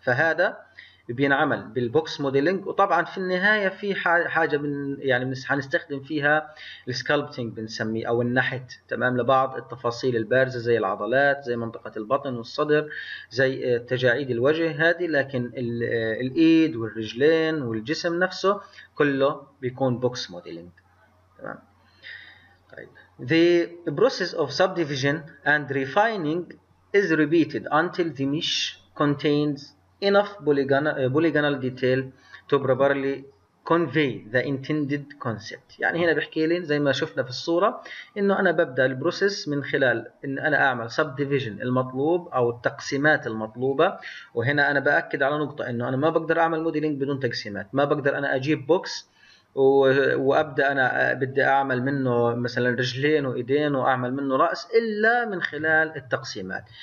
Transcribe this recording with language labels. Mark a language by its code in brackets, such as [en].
[ar] فهذا بينعمل بالبوكس موديلنج، وطبعا في النهايه في حاجه من يعني حنستخدم فيها السكالبتنج بنسميه او النحت، تمام، لبعض التفاصيل البارزه زي العضلات زي منطقه البطن والصدر زي تجاعيد الوجه هذه، لكن الايد والرجلين والجسم نفسه كله بيكون بوكس موديلنج، تمام. [en] طيب the process of subdivision and refining is repeated until the mesh contains enough polygonal detail to properly convey the intended concept. [ar] يعني هنا بحكي لي زي ما شفنا في الصورة انه انا ببدأ البروسيس من خلال ان انا اعمل سب ديفيجن المطلوب او التقسيمات المطلوبة. وهنا انا بأكد على نقطة انه انا ما بقدر اعمل موديلينج بدون تقسيمات، ما بقدر انا اجيب بوكس وابدأ انا بدي اعمل منه مثلا رجلين وايدين واعمل منه رأس الا من خلال التقسيمات.